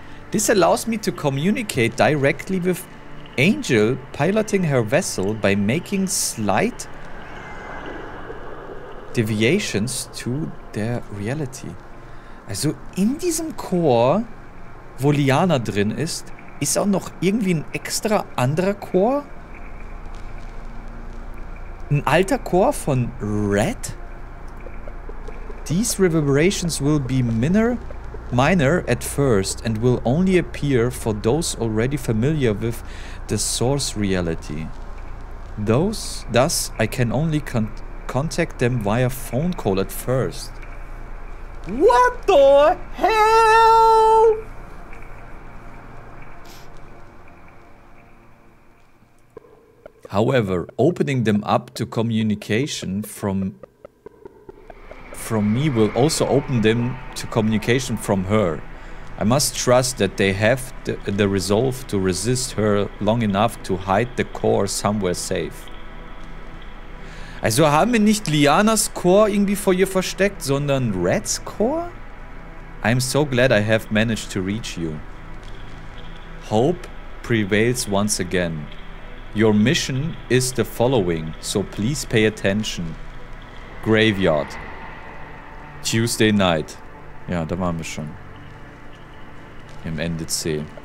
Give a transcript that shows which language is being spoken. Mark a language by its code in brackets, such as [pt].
[en] This allows me to communicate directly with Angel piloting her vessel by making slight deviations to their reality. [de] Also in diesem Chor, wo Liana drin ist, ist auch noch irgendwie ein extra anderer Chor? Ein alter Chor von Red? [en] These reverberations will be minor at first and will only appear for those already familiar with the source reality. Thus, I can only contact them via phone call at first. What the hell? However, opening them up to communication from me will also open them to communication from her. I must trust that they have the resolve to resist her long enough to hide the core somewhere safe. [de] Also haben wir nicht Lianas Core irgendwie vor ihr versteckt, sondern Red's Core? [en] I am so glad I have managed to reach you. Hope prevails once again. Your mission is the following, so please pay attention. Graveyard. Tuesday night. [de] Ja, da waren wir schon. Im Ende C.